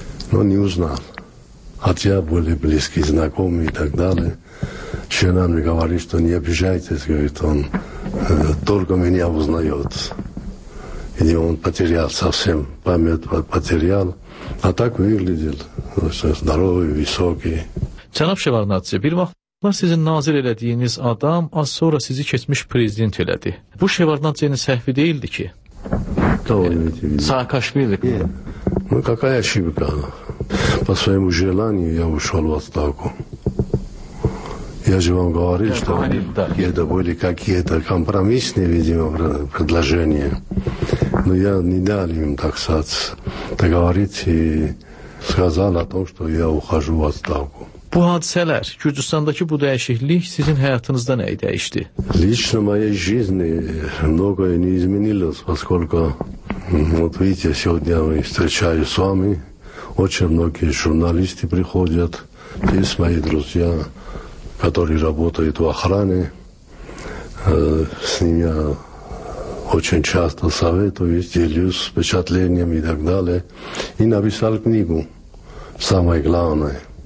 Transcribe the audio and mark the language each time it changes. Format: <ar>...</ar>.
<ru>Но не узнал, хотя были близкие, знакомые и так далее. Жена мне говорит, что не обижайтесь, говорит, он только меня узнает. И он потерял совсем память, потерял. А так выглядел, здоровый, высокий.</ru> <az>Cənab Şevardnadze, bir vaxtlar sizin nazir elədiyiniz adam az sonra sizi keçmiş prezident elədi. Bu Şevardnadze'nin səhvi deyildi ki. Saakashvili.</az> <ru>Ну, какая ошибка? По своему желанию я ушел в отставку. Я же вам говорил, что это были какие-то компромиссные, видимо, предложения. Но я не дал им, так сказать, договориться и сказал о том, что я ухожу в отставку.</ru> <tr>Bu hadiseler, Gürcistan'daki bu değişiklik sizin hayatınızda neyi değişti?</tr> <ru>Лично моей жизни многое не изменилось, поскольку, вот видите, сегодня я встречаюсь с вами, очень многие журналисты приходят, есть мои друзья, которые работают в охране, с ними я очень часто советуюсь, делюсь впечатлениями и так далее, и написал книгу, самое главное.</ru>